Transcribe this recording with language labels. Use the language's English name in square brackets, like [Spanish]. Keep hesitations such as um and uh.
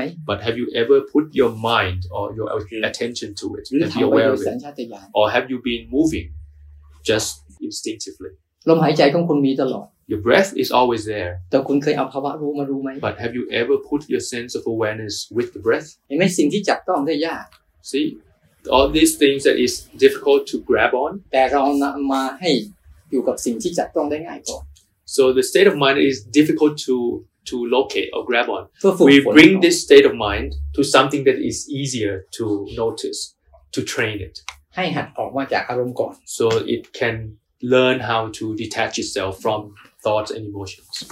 [English] But have you ever put your mind or your attention to it and be aware of it? Or have you been moving just instinctively? [Thai] ลมหายใจของคุณมีตลอด [English] Your breath is always there. [Thai] แต่คุณเคยเอาภาวะรู้มารู้ไหม [English] But have you ever put your sense of awareness with the breath? [Thai] เห็นไหมสิ่งที่จับต้องได้ยาก [English] See all these things that is difficult to grab on. [Thai] แต่เรานำมาให้อยู่กับสิ่งที่จับต้องได้ง่ายก่อน [English] So the state of mind is difficult to to locate or grab on. We bring this state of mind to something that is easier to notice, to train it. [Thai] ให้หัดออกมาจากอารมณ์ก่อน [English] So it can learn how to detach itself from thoughts and emotions.